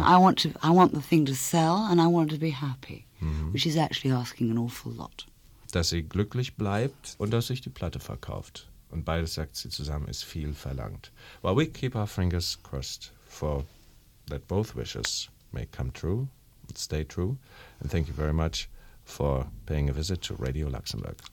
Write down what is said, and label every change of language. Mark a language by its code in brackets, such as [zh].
[en] know, I want the thing to sell and I want to be happy, mm-hmm. which is actually asking an awful lot. [de] Dass sie glücklich bleibt und dass sich die Platte verkauft. Und beides, sagt sie zusammen, ist viel verlangt. [en] Well, we keep our fingers crossed for that both wishes may come true, stay true. And thank you very much for paying a visit to Radio Luxembourg.